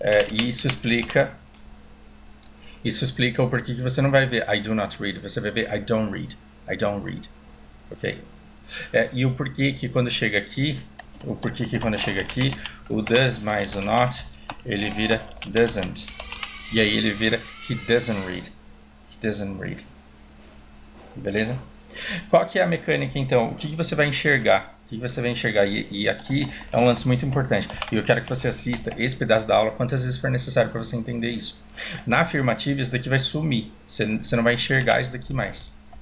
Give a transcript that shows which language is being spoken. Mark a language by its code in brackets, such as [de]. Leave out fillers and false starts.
[pt] E isso explica o porquê que você não vai ver [en] I do not read, [pt] você vai ver [en] I don't read. I don't read. [pt] Ok? E o porquê que quando chega aqui. O porquê que quando chega aqui, o does mais o not, ele vira doesn't. E aí ele vira [en] he doesn't read. He doesn't read. [pt] Beleza? Qual que é a mecânica então? O que que você vai enxergar? O que que você vai enxergar? E aqui é um lance muito importante. E eu quero que você assista esse pedaço da aula quantas vezes for necessário para você entender isso. Na afirmativa, isso daqui vai sumir. Você não vai enxergar isso daqui mais.